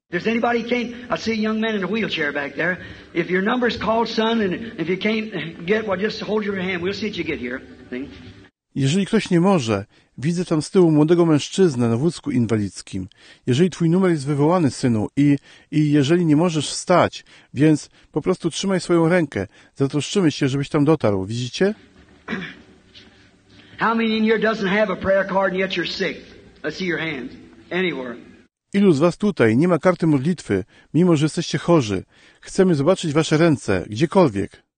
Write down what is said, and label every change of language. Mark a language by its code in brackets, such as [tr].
[en] There's anybody can't, I see a young man in a wheelchair back there. If your number's called, son, and if you can't get, well, just hold your hand. We'll see if you get here. [pl] Jeżeli ktoś nie może, widzę tam z tyłu młodego mężczyznę na wózku inwalidzkim. Jeżeli twój numer jest wywołany, synu, i jeżeli nie możesz wstać, więc po prostu trzymaj swoją rękę. Zatroszczymy się, żebyś tam dotarł. Widzicie? [en] How many in here doesn't have a prayer card and yet you're sick? I see your hands anywhere. [pl] Ilu z was tutaj nie ma karty modlitwy, mimo że jesteście chorzy? Chcemy zobaczyć wasze ręce, gdziekolwiek.